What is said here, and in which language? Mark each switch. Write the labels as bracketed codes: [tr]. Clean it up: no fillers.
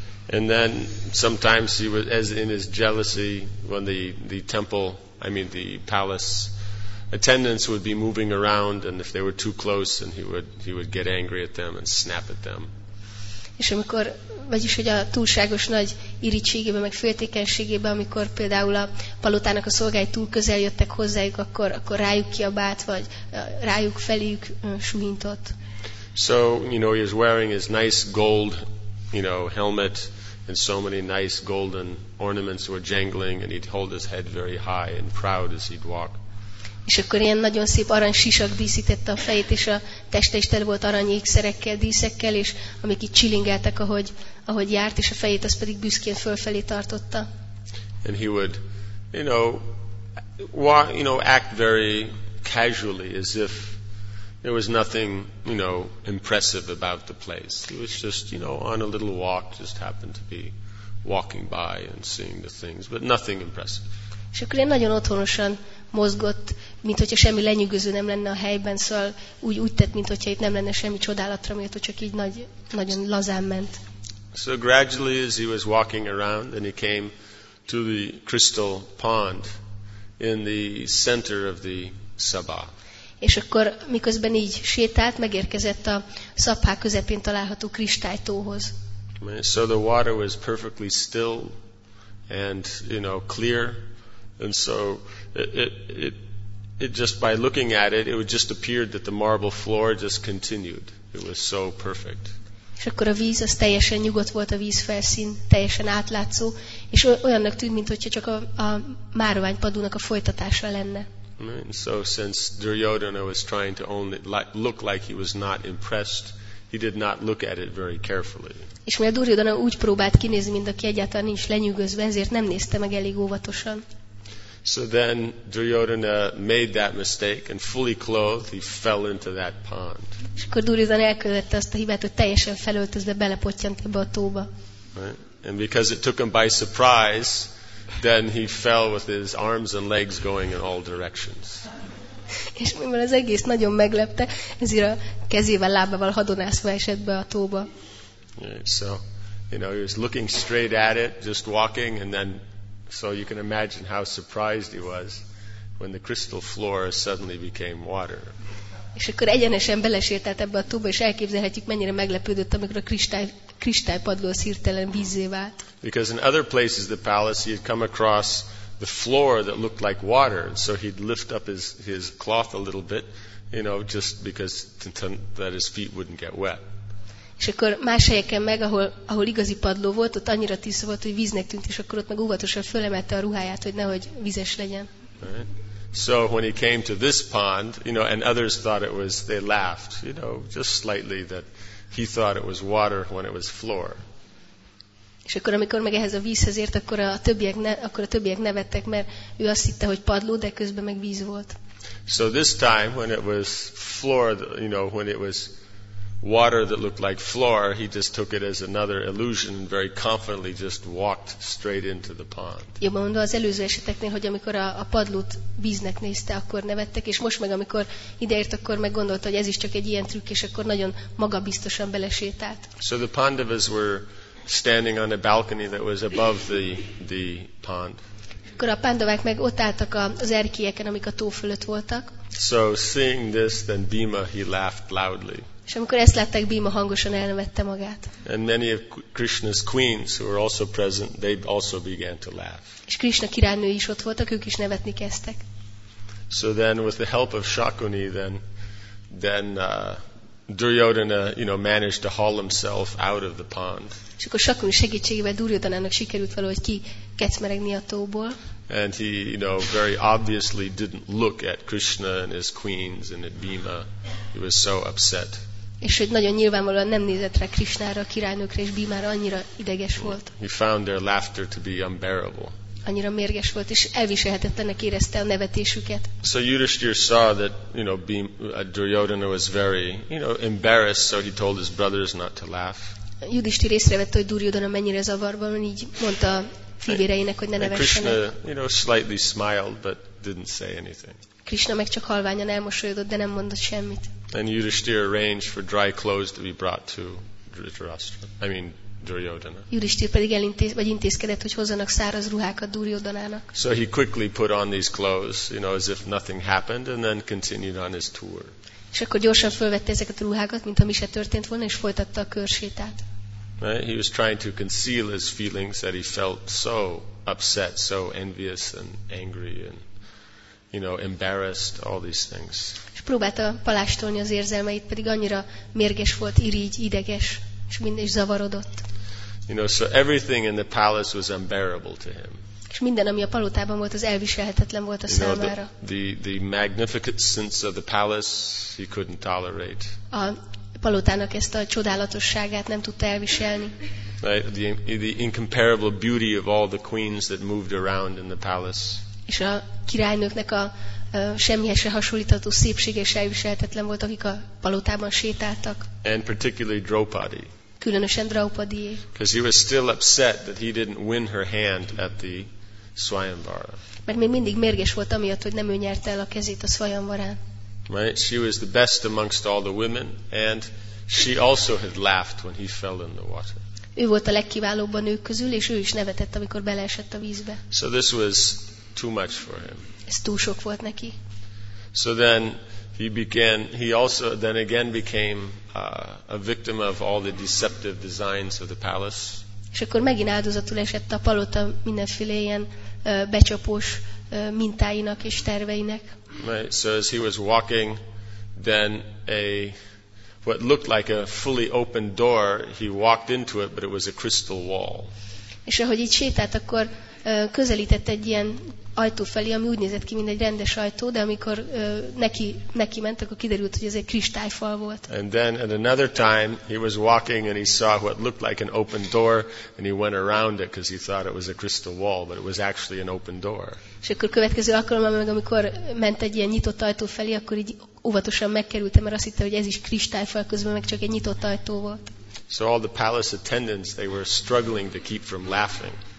[en] And then sometimes he was, as in his jealousy, when the palace attendants would be moving around, and if they were too close, and he would get angry at them and snap at them. [hu] És amikor, vagyis hogy a túlságos nagy irigységében, meg féltékenységében, amikor például a palotának a szolgái túl közel jöttek hozzájuk, akkor rájuk kiabált, vagy rájuk feléjük suhintott. [en] So, you know, he was wearing his nice gold, you know, helmet, and so many nice golden ornaments were jangling, and he'd hold his head very high and proud as he'd walk. [hu] És akkor ilyen nagyon szép arany sisak díszítette a fejét, és a teste is tele volt arany ékszerekkel, díszekkel, és amik itt csilingeltek, ahogy járt, és a fejét az pedig büszkén fölfelé tartotta. [en] And he would, you know, act very casually, as if there was nothing, you know, impressive about the place. He was just, you know, on a little walk, just happened to be walking by and seeing the things, but nothing impressive. [hu] És akkor ilyen nagyon otthonosan mozgott, mint hogyha semmi lenyűgöző nem lenne a helyben, szóval úgy tett, mint hogyha itt nem lenne semmi csodálatra méltó, csak így nagyon lazán ment. [en] So gradually as he was walking around and he came to the crystal pond in the center of the Sabha. [hu] És akkor miközben így sétált, megérkezett a Sabha közepén található kristálytóhoz. [en] So the water was perfectly still and, you know, clear. And so it just by looking at it, it would just appeared that the marble floor just continued. It was so perfect. [hu] És akkor a víz, az teljesen nyugodt volt, a vízfelszín teljesen átlátszó, és olyannak tűnt, mintha csak a márványpadúnak a folytatása lenne. [en] And so since Duryodhana was trying to only look like he was not impressed, he did not look at it very carefully. [hu] És mivel Duryodhana úgy próbált kinézni, mint aki egyáltalán nincs lenyűgözve, ezért nem nézte meg elég óvatosan. [en] So then Duryodhana made that mistake and fully clothed he fell into that pond. [hu] És akkor Duryodhana elkövette azt a hibát, hogy teljesen felöltözve belepottyant ebbe a tóba. [en] And because it took him by surprise, then he fell with his arms and legs going in all directions. [hu] És mivel az egész nagyon meglepte, ezért a kezével, lábával hadonászva esett be a tóba. [en] So, you know, he was looking straight at it, just walking, and then so you can imagine how surprised he was when the crystal floor suddenly became water. [hu] És akkor egyenesen belesétált ebbe a tóba, és elképzelhetjük, mennyire meglepődött, amikor a kristálypadló hirtelen vízzé vált. [en] Because in other places the palace he had come across the floor that looked like water, so he'd lift up his cloth a little bit, you know, just because that his feet wouldn't get wet. [hu] És akkor más helyeken meg, ahol igazi padló volt, ott annyira tiszta volt, hogy víznek tűnt, és akkor ott meg óvatosan fölemelte a ruháját, hogy nehogy vizes legyen. [en] So when he came to this pond, you know, and others thought it was, they laughed, you know, just slightly that he thought it was water when it was floor. [hu] És akkor amikor meg ehhez a vízhez ért, akkor a többiek nevettek, mert ő azt hitte, hogy padló, de közben meg víz volt. [en] So this time when it was floor, you know, when it was water that looked like floor, he just took it as another illusion and very confidently just walked straight into the pond. [hu] Jó, mondom, az előző eseteknél, hogy amikor a padlót víznek nézte, akkor nevettek, és most meg amikor ideért, akkor meg gondolta, hogy ez is csak egy ilyen trükk, és akkor nagyon magabiztosan belesétált. [en] So the Pandavas were standing on a balcony that was above the pond. [hu] Akkor a Pandavák meg ott álltak az erkélyeken, amik a tó fölött voltak. [en] So seeing this, then Bhima, he laughed loudly. [hu] És amikor ezt látták, Bhima hangosan elnevette magát. [en] And many of Krishna's queens who were also present, they also began to laugh. [hu] És Krishna királynői is ott voltak, ők is nevetni kezdtek. [en] So then with the help of Shakuni, then Duryodhana, you know, managed to haul himself out of the pond. [hu] És akkor Shakuni segítségével Duryodhanának sikerült valahogy kikecmeregni a tóból. [en] And he, you know, very obviously didn't look at Krishna and his queens and at Bhima. He was so upset. [hu] És hogy nagyon nyilvánvalóan nem nézett rá Krishnára, a királynőkre, és Bhimára, annyira ideges volt. [en] He found their laughter to be unbearable. [hu] Annyira mérges volt, és elviselhetetlennek érezte a nevetésüket. [en] So Yudhishthir saw that, you know, Duryodhana was very, you know, embarrassed, so he told his brothers not to laugh. [hu] Yudhishthir észrevette, hogy Duryodhana mennyire zavarban van, így mondta fivéreinek, hogy ne nevessenek. [en] Krishna, you know, slightly smiled, but didn't say anything. [hu] Krishna meg csak halványan elmosolyodott, de nem mondott semmit. [en] And Yudhishthir arranged for dry clothes to be brought to Dhritarashtra. I mean, Duryodhana. [hu] Yudhishthir pedig intézkedett, hogy hozzanak száraz ruhákat Duryodhanának. [en] So he quickly put on these clothes, you know, as if nothing happened, and then continued on his tour. [hu] És akkor gyorsan fölvette ezeket a ruhákat, mintha mi se történt volna, és folytatta a körsétát. [en] He was trying to conceal his feelings that he felt so upset, so envious and angry and, you know, embarrassed, all these things. [hu] És próbálta palástolni az érzelmeit, pedig annyira mérges volt, irigy, ideges, és minden is zavarodott. [en] You know, so everything in the palace was unbearable to him. [hu] És minden, ami a palotában volt, az elviselhetetlen volt a számára. [en] You know, the magnificence of the palace he couldn't tolerate. [hu] A palotának ezt a csodálatosságát nem tudta elviselni. [en] Right, the incomparable beauty of all the queens that moved around in the palace. [hu] És a királynőknek a semmihez se hasonlítható szépsége is elviselhetetlen volt, akik a palotában sétáltak. [en] And particularly Draupadi. [hu] Különösen Draupadi. [en] Because he was still upset that he didn't win her hand at the Swayamvara. [hu] mert még mindig mérges volt amiatt, hogy nem ő nyerte el a kezét a Svayamvarán. [en] Right? She was the best amongst all the women, and she also had laughed when he fell in the water. [hu] Ő volt a legkiválóbb a nők közül, és ő is nevetett, amikor beleesett a vízbe. [en] So this was too much for him. [hu] Ez túl sok volt neki. [en] So then he also then again became a victim of all the deceptive designs of the palace. [hu] És akkor megint áldozatul esett a palota mindenféle ilyen becsapós mintáinak és terveinek. [en] Right. So as he was walking, then what looked like a fully open door, he walked into it, but it was a crystal wall. [hu] És ahogy így sétált, akkor közelített egy ilyen ajtó felé, ami úgy nézett ki, mint egy rendes ajtó, de amikor neki ment, akkor kiderült, hogy ez egy kristályfal volt. [en] And then at another time, he was walking and he saw what looked like an open door, and he went around it because he thought it was a crystal wall, but it was actually an open door. [hu] És akkor következő alkalommal, meg amikor ment egy ilyen nyitott ajtó felé, akkor így óvatosan megkerültem, mert azt hitte, hogy ez is kristályfal, közben meg csak egy nyitott ajtó volt. [en] So all the palace attendants, they were struggling to keep from laughing.